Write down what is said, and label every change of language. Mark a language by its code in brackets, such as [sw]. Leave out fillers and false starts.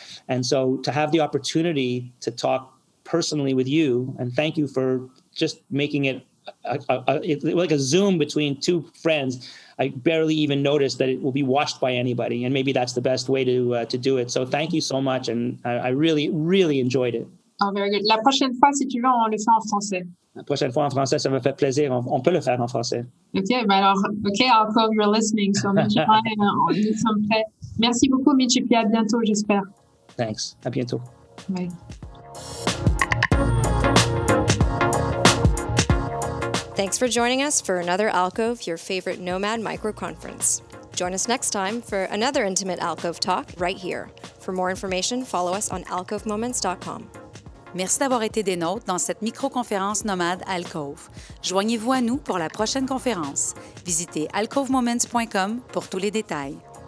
[en] And so to have the opportunity to talk personally with you, and thank you for just making it like a Zoom between two friends. I barely even noticed that it will be watched by anybody. And maybe that's the best way to do it. So thank you so much. And I really, really enjoyed it. Oh, very good. [fr] La prochaine fois, si tu veux, on le fait en français. La prochaine fois en français, ça me fait plaisir. On peut le faire en français. [en] OK, [fr] ben alors, [en] OK, Alcove, you're listening. [fr] So, Mitch, nous sommes prêts. Merci beaucoup, Mitch, et puis à bientôt, j'espère. Thanks. À bientôt. [en] Bye. Thanks for joining us for another Alcove, your favorite nomad microconference. Join us next time for another intimate Alcove talk right here. For more information, follow us on alcovemoments.com. [fr] Merci d'avoir été des nôtres dans cette microconférence nomade Alcove. Joignez-vous à nous pour la prochaine conférence. Visitez alcovemoments.com pour tous les détails.